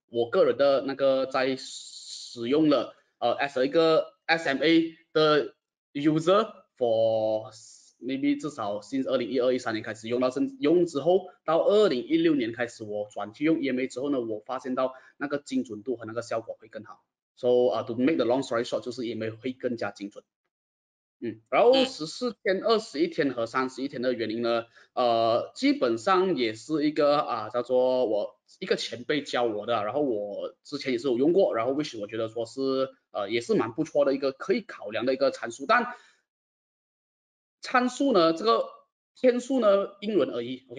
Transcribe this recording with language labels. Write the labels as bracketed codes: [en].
[zh] 我个人的那个在使用了as 一个 SMA 的 user。 [en] For maybe [zh] 至少 since 2012、13年开始用到，用之后到2016年开始，我转去用 EMA 之后呢，我发现到那个精准度和那个效果会更好。 [en] So to make the long story short， [zh] 就是 EMA 会更加精准。然后14天、21天和31天的原因呢，基本上也是一个叫做我一个前辈教我的，然后我之前也是有用过，然后 which 我觉得说是也是蛮不错的一个可以考量的一个参数，但参数呢，这个天数呢，因人而异。